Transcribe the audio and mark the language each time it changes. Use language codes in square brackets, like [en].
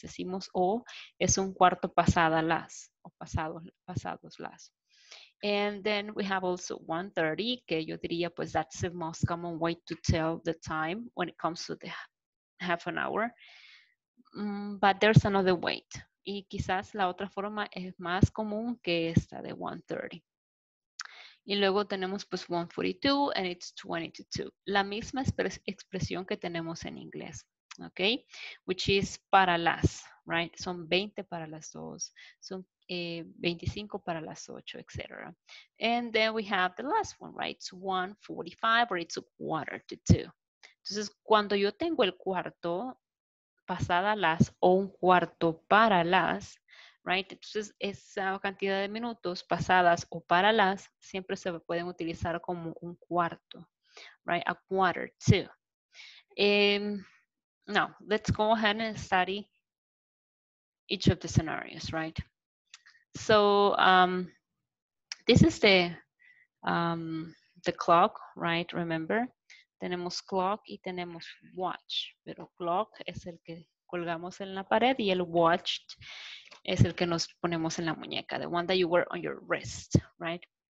[es] Decimos o es un cuarto pasada las o pasados las. [en] And then we have also 1:30, [es] que yo diría, pues [en] that's the most common way to tell the time when it comes to the half an hour. But there's another way. [es] Y quizás la otra forma es más común que esta de 1:30. Y luego tenemos pues [en] 1:42 and it's 20 to 2. [es] La misma expresión que tenemos en inglés, okay? [en] Which is [es] para las, [en] right? [es] Son 20 para las 2, son 25 para las 8, etc. [en] And then we have the last one, right? It's 1:45 or it's a quarter to 2. [es] Entonces, cuando yo tengo el cuarto pasada las o un cuarto para las, [en] right? [es] Entonces, esa cantidad de minutos pasadas o para las siempre se pueden utilizar como un cuarto, [en] right? A quarter to. Now, let's go ahead and study each of the scenarios, right? So, this is the clock, right? [es] Remember, tenemos clock y tenemos watch, pero clock es el que colgamos en la pared y el watch es el que nos ponemos en la muñeca, [en] the one that you wear on your wrist, right?